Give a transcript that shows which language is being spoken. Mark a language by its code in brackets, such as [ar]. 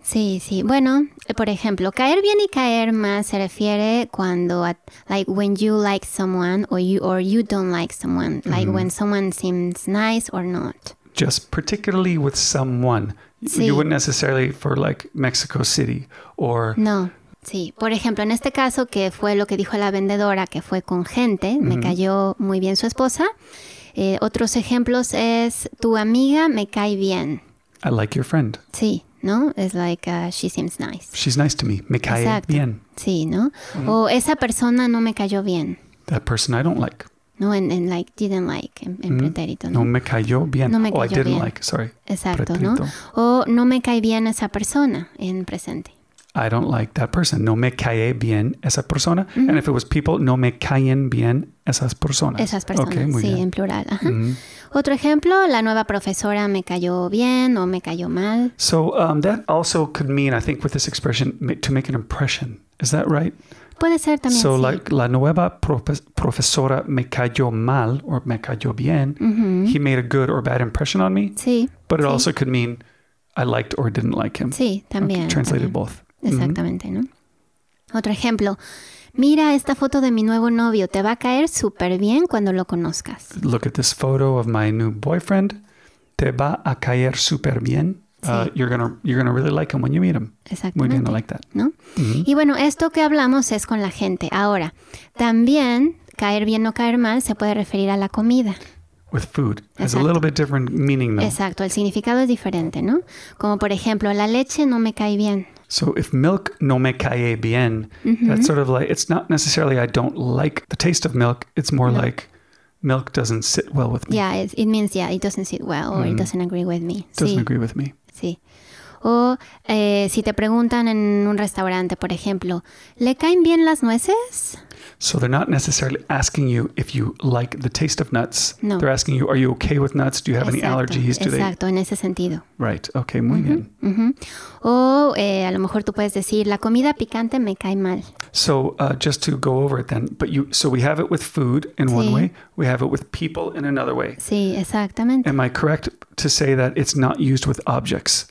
[es] Sí, sí. Bueno, por ejemplo, caer bien y caer mal se refiere cuando, [en] like when you like someone [es] or you don't like someone. [en] Like mm-hmm. when someone seems nice or not. Just particularly with someone. [es] Sí. [en] You wouldn't necessarily for like Mexico City or... No. [es] Sí, por ejemplo, en este caso, que fue lo que dijo la vendedora, que fue con gente, mm-hmm. me cayó muy bien su esposa. Otros ejemplos es, tu amiga me cae bien. [en] I like your friend. [es] Sí, ¿no? [en] It's like, she seems nice. She's nice to me. [es] Me cae Exacto. bien. Sí, ¿no? Mm-hmm. O esa persona no me cayó bien. [en] That person I don't like. No, and like, didn't like, en mm-hmm. [es] pretérito, ¿no? No me cayó bien. No me cayó bien. [en] Oh, I didn't [es] bien. [en] Like, sorry. [es] Exacto, pretérito. ¿No? O no me cae bien esa persona, en presente. [en] I don't like that person. [es] No me cae bien esa persona. Mm-hmm. [en] And if it was people, [es] no me caen bien esas personas. Esas personas, [en] okay, [es] sí, bien. En plural. Mm-hmm. Otro ejemplo, la nueva profesora me cayó bien o me cayó mal. [en] So that also could mean, I think, with this expression, to make an impression. Is that right? [es] Puede ser también, [en] so, So like, [es] la nueva profesora me cayó mal or me cayó bien. Mm-hmm. [en] He made a good or bad impression on me. [es] Sí. [en] But it [es] sí. [en] also could mean I liked or didn't like him. [es] Sí, también. Okay, [en] translated [es] también. [en] Both. [es] Exactamente, ¿no? Mm-hmm. Otro ejemplo. Mira esta foto de mi nuevo novio. Te va a caer súper bien cuando lo conozcas. [en] Look at this photo of my new boyfriend. [es] Te va a caer súper bien. Sí. [en] You're gonna really like him when you meet him. [es] Exactamente. Muy bien, [en] I like that. [es] ¿No? Mm-hmm. Y bueno, esto que hablamos es con la gente. Ahora, también caer bien o caer mal se puede referir a la comida. [en] With food. [es] Exacto. [en] It's a little bit different meaning though. [es] Exacto, el significado es diferente, ¿no? Como por ejemplo, la leche no me cae bien. [en] So if milk [es] no me cae bien, mm-hmm. [en] that's sort of like, it's not necessarily I don't like the taste of milk. It's more mm-hmm. like milk doesn't sit well with me. Yeah, it means, yeah, it doesn't sit well or mm-hmm. it doesn't agree with me. Doesn't [es] sí. [en] agree with me. [es] Sí. O si te preguntan en un restaurante, por ejemplo, ¿le caen bien las nueces? [en] So they're not necessarily asking you if you like the taste of nuts. No. They're asking you, are you okay with nuts? Do you have [es] Exacto. [en] any allergies? Do [es] Exacto, [en] they... [es] en ese sentido. [en] Right, okay, [es] muy mm-hmm. bien. Mm-hmm. O a lo mejor tú puedes decir, la comida picante me cae mal. [en] So just to go over it then, but you, so we have it with food in [es] sí. [en] one way, we have it with people in another way. [es] Sí, exactamente. [en] Am I correct to say that it's not used with objects?